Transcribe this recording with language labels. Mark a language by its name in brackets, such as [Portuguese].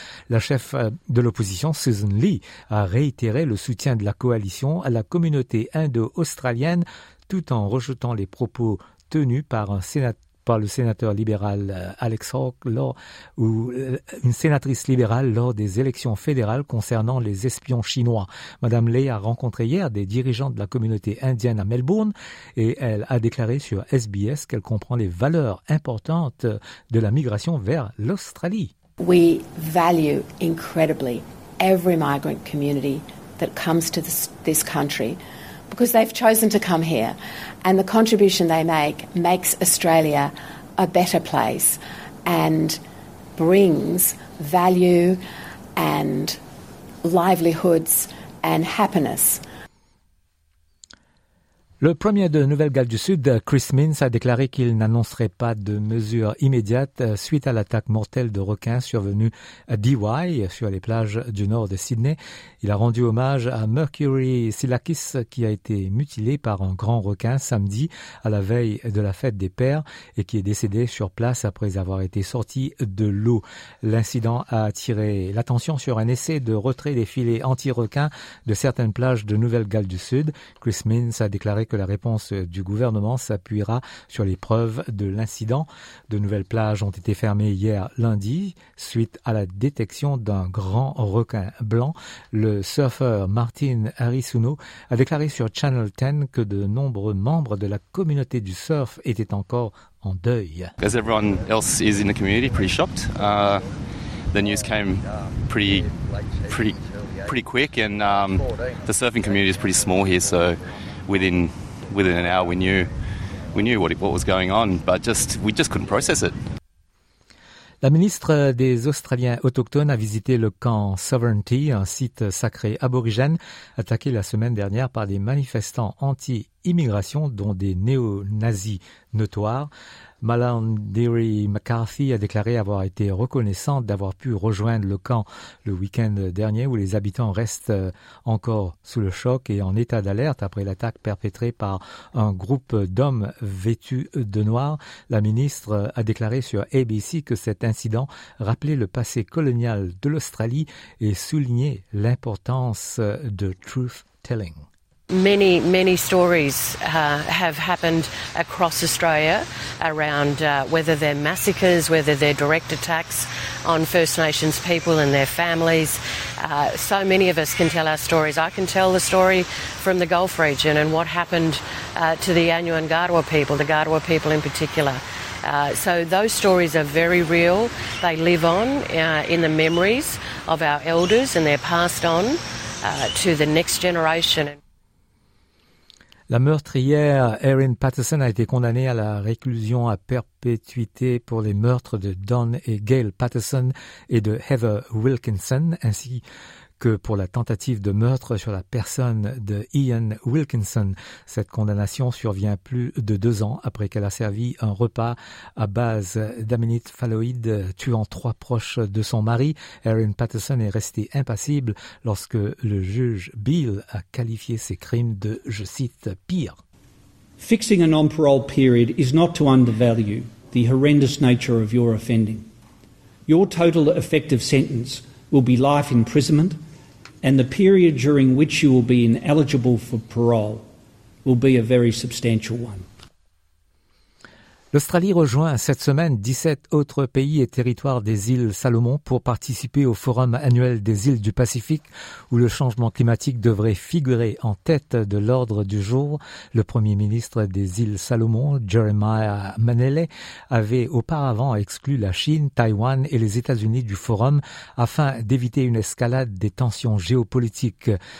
[French] La chef de l'opposition, Susan Lee, a réitéré le soutien de la coalition à la communauté indo-australienne, tout en rejetant les propos tenus par une sénatrice libérale lors des élections fédérales concernant les espions chinois. Madame Lee a rencontré hier des dirigeants de la communauté indienne à Melbourne et elle a déclaré sur SBS qu'elle comprend les valeurs importantes de la migration vers l'Australie. [English] We value incredibly every migrant community that comes to this country. Because they've chosen to come here, and the contribution they make makes Australia a better place and brings value and livelihoods and happiness. [French] Le premier de Nouvelle-Galles du Sud, Chris Minns, a déclaré qu'il n'annoncerait pas de mesures immédiates suite à l'attaque mortelle de requins survenue à Dee sur les plages du nord de Sydney. Il a rendu hommage à Mercury Silakis qui a été mutilé par un grand requin samedi à la veille de la fête des pères et qui est décédé sur place après avoir été sorti de l'eau. L'incident a attiré l'attention sur un essai de retrait des filets anti-requins de certaines plages de Nouvelle-Galles du Sud. Chris Minns a déclaré que la réponse du gouvernement s'appuiera sur les preuves de l'incident. De nouvelles plages ont été fermées hier lundi suite à la détection d'un grand requin blanc. Le surfeur Martin Arisuno a déclaré sur Channel 10 que de nombreux membres de la communauté du surf étaient encore en deuil. [English] As everyone else is in the community, pretty shocked. the news came pretty quick, and the surfing community is pretty small here, so within an hour we knew what was going on, but we just couldn't process it. [French] La ministre des Australiens autochtones a visité le camp Sovereignty, un site sacré aborigène, attaqué la semaine dernière par des manifestants anti-immigration, dont des néo-nazis notoires. Malandiri McCarthy a déclaré avoir été reconnaissante d'avoir pu rejoindre le camp le week-end dernier, où les habitants restent encore sous le choc et en état d'alerte après l'attaque perpétrée par un groupe d'hommes vêtus de noir. La ministre a déclaré sur ABC que cet incident rappelait le passé colonial de l'Australie et soulignait l'importance de truth-telling. [English] Many, many stories have happened across Australia around whether they're massacres, whether they're direct attacks on First Nations people and their families. So many of us can tell our stories. I can tell the story from the Gulf region and what happened to the Anu and Gadwa people, the Gadwa people in particular. So those stories are very real. They live on in the memories of our elders, and they're passed on to the next generation. [French] La meurtrière Erin Patterson a été condamnée à la réclusion à perpétuité pour les meurtres de Don et Gail Patterson et de Heather Wilkinson, ainsi que pour la tentative de meurtre sur la personne de Ian Wilkinson. Cette condamnation survient plus de 2 ans après qu'elle a servi un repas à base d'aminite phalloïde, tuant 3 proches de son mari. Erin Patterson est restée impassible lorsque le juge Beal a qualifié ses crimes de, je cite, pire. [English] Fixing a non-parole period is not to undervalue the horrendous nature of your offending. Your total effective sentence will be life imprisonment, and the period during which you will be ineligible for parole will be a very substantial one. [French] L'Australie rejoint cette semaine 17 autres pays et territoires des îles Salomon pour participer au forum annuel des îles du Pacifique, où le changement climatique devrait figurer en tête de l'ordre du jour. Le premier ministre des îles Salomon, Jeremiah Manele, avait auparavant exclu la Chine, Taïwan et les États-Unis du forum afin d'éviter une escalade des tensions géopolitiques.